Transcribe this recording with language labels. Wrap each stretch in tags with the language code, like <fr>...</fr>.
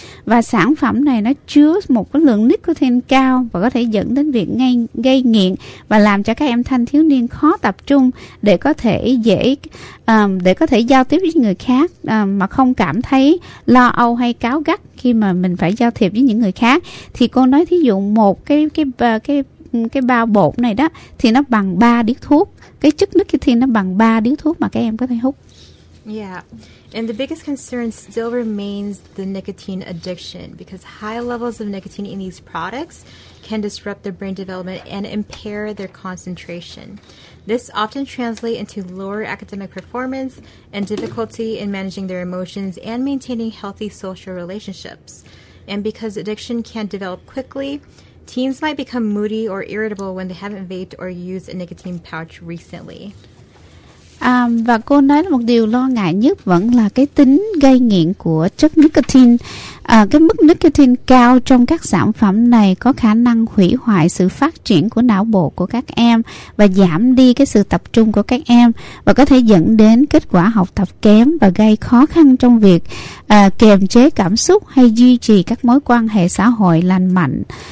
<vi>Và sản phẩm này nó chứa một cái lượng nicotine cao và có thể dẫn đến việc gây nghiện và làm cho các em thanh thiếu niên khó tập trung để có thể giao tiếp với người khác mà không cảm thấy lo âu hay cáo gắt khi mà mình phải giao thiệp với những người khác. Thì cô nói thí dụ một cái bao bột này đó thì nó bằng 3 điếu thuốc. Cái chất nicotine nó bằng 3 điếu thuốc mà các em có thể hút. Yeah.</vi> <en>And the biggest concern still remains the nicotine addiction, because high levels of nicotine in these products can disrupt their brain development and impair their concentration. This often translates into lower academic performance and difficulty in managing their emotions and maintaining healthy social relationships. And because addiction can develop quickly, teens might become moody or irritable when they haven't vaped or used a nicotine pouch recently.</en> <vi>Và cô nói là một điều lo ngại nhất vẫn là cái tính gây nghiện của chất nicotine. Cái mức nicotine cao trong các sản phẩm này có khả năng hủy hoại sự phát triển của não bộ của các em và giảm đi cái sự tập trung của các em, và có thể dẫn đến kết quả học tập kém và gây khó khăn trong việc kiềm chế cảm xúc hay duy trì các mối quan hệ xã hội lành mạnh.</vi>